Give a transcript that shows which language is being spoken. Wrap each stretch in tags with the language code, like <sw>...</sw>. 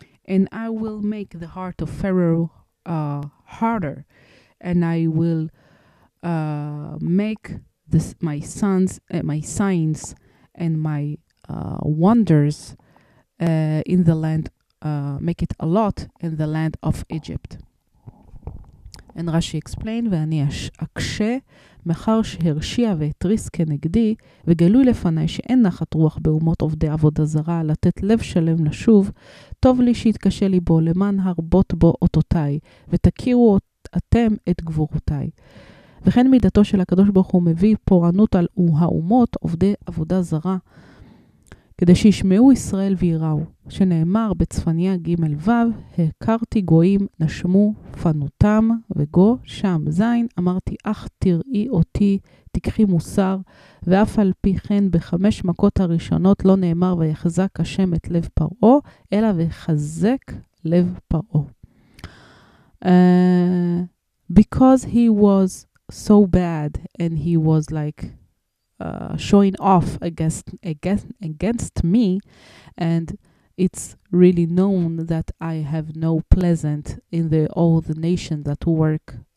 <en>And I will make the heart of Pharaoh harder, and I will make this my sons and my signs and my wonders in the land, make it a lot in the land of Egypt. And Rashi explained,</en> <he>ואני אקשה מחר שהרשיע והטריס כנגדי, וגלוי לפני שאין נחת רוח באומות עובדי עבוד הזרה, לתת לב שלם לשוב, טוב לי שיתקשה לי בו, למען הרבות בו אותותיי, ותכירו אתם את גבורותיי. וכן מידתו של הקדוש ברוך הוא מביא פורענות על האומות עובדי עבודה זרה, כדי שישמעו ישראל ויראו, שנאמר בצפניה ג' ו', הכרתי גויים, נשמו פנותם, וגו שם ז', אמרתי, אך תראי אותי, תקחי מוסר, ואף על פי כן בחמש מכות הראשונות לא נאמר ויחזק השם את לב פרעה, אלא וחזק לב פרעה.</he> <en>Because he was so bad, and he was like, showing off against me, and it's really known that I have no pleasant in the all the nations that work</en>